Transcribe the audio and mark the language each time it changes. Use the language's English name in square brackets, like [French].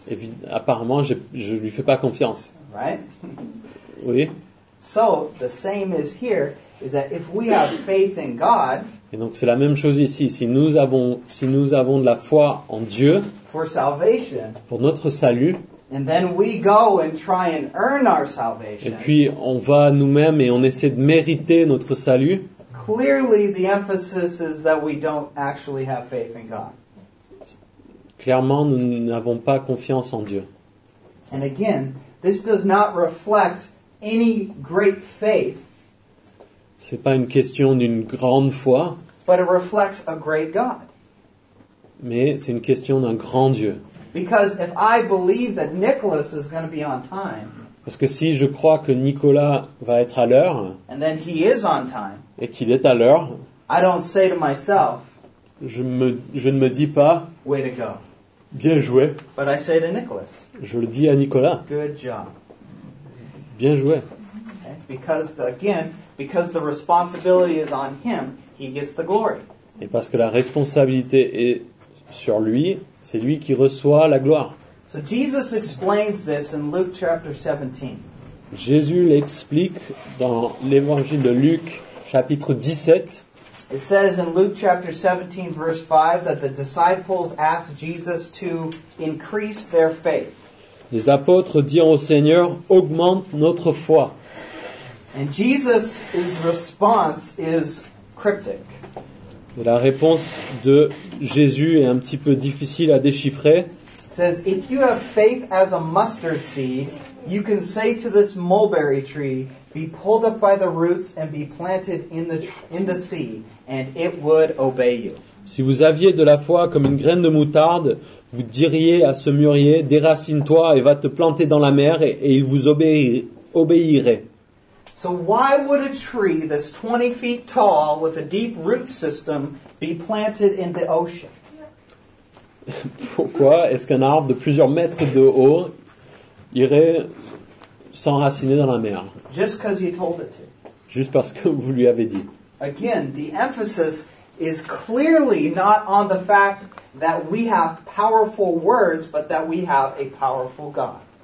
[French] Et puis, apparemment, je lui fais pas confiance. [English] Right? [French] Oui. [English] So, the same is here. Is that if we have faith in God, [French] et donc c'est la même chose ici. Si nous avons de la foi en Dieu [English] for salvation, [French] pour notre salut, [English] And then we go and try and earn our salvation. [French] Et puis on va nous-mêmes et on essaie de mériter notre salut. [English] Clearly, the emphasis is that we don't actually have faith in God. [French] Clairement, nous n'avons pas confiance en Dieu. [English] And again, this does not reflect any great faith. [French] C'est pas une question d'une grande foi. [English] But it reflects a great God. [French] Mais c'est une question d'un grand Dieu. [English] Because if I believe that Nicholas is going to be on time. [French] Parce que si je crois que Nicolas va être à l'heure. [English] And then he is on time. [French] Et qu'il est à l'heure. [English] I don't say to myself. [French] Je ne me dis pas. [English] Way to go. [French] Bien joué. [English] But I say to Nicholas. [French] Je le dis à Nicolas. [English] Good job. [French] Bien joué. Okay. [English] Because the, again, because the responsibility is on him, he gets the glory. [French] Et parce que la responsabilité est sur lui, c'est lui qui reçoit la gloire. [English] So Jesus explains this in Luke chapter 17. [French] Jésus l'explique dans l'évangile de Luc chapitre 17. [English] It says in Luke chapter 17 verse 5 that the disciples asked Jesus to increase their faith. [French] Les apôtres disent au Seigneur, augmente notre foi. [English] And Jesus' response is cryptic. [French] Et la réponse de Jésus est un petit peu difficile à déchiffrer. [English] It says, if you have faith as a mustard seed, you can say to this mulberry tree, be pulled up by the roots and be planted in the sea, and it would obey you. [French] Si vous aviez de la foi comme une graine de moutarde, vous diriez à ce mûrier, déracine-toi et va te planter dans la mer, et il vous obéirait. [English] So why would a tree that's 20 feet tall with a deep root system be planted in the ocean? [French] Pourquoi est-ce qu'un arbre de plusieurs mètres de haut irait s'enraciner dans la mer? [English] Just 'cause you told it to. [French] Juste parce que vous lui avez dit. [English] Again, the emphasis is clearly not on the fact that we have powerful words, but that we have a powerful God.